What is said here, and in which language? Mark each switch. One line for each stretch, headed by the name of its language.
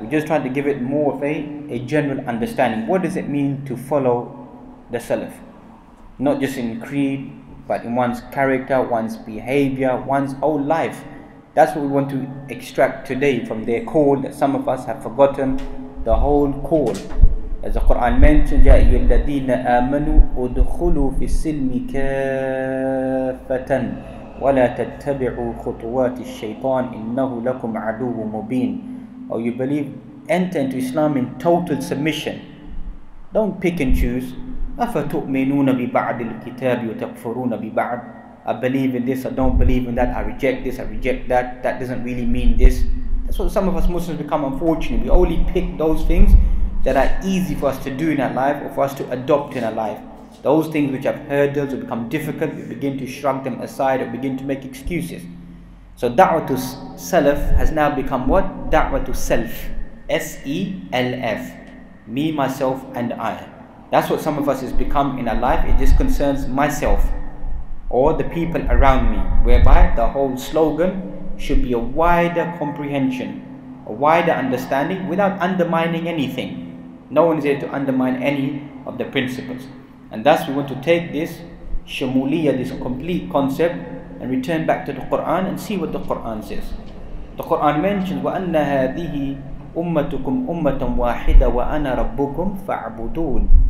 English: We're just trying to give it more of a general understanding. What does it mean to follow the salaf? Not just in creed, but in one's character, one's behavior, one's whole life. That's what we want to extract today from their call that some of us have forgotten the whole call. As the Quran mentioned,
Arabic: يَا أَيُّ الَّذِينَ آمَنُوا أُدْخُلُوا فِي السِّلْمِ كَافَةً وَلَا تَتَّبِعُوا خُطُوَاتِ الشَّيْطَانِ إِنَّهُ لَكُمْ عَدُوٌّ مُبِينٌ.
English: Or you believe, enter into Islam in total submission. Don't pick and choose.
Arabic: أَفَتُؤْمِنُونَ بِبَعْدِ الْكِتَابِ وَتَكْفُرُونَ بِبَعْدِ.
English: I believe in this, I don't believe in that, I reject this, I reject that, that doesn't really mean this. That's what some of us Muslims become, unfortunate. We only pick those things that are easy for us to do in our life or for us to adopt in our life. Those things which have hurdles or become difficult, we begin to shrug them aside or begin to make excuses. So da'wah to salaf has now become what? Da'wah to self. S-E-L-F. Me, myself and I. That's what some of us has become in our life. It just concerns myself or the people around me, whereby the whole slogan should be a wider comprehension, a wider understanding without undermining anything. No one is here to undermine any of the principles. And thus we want to take this shamuliyah, this complete concept, and return back to the Quran and see what the Quran says. The Quran mentions,
Arabic: وَأَنَّ هَذِهِ أُمَّتُكُمْ أُمَّةً وَاحِدًا وَأَنَا رَبُّكُمْ فَاعْبُدُونَ.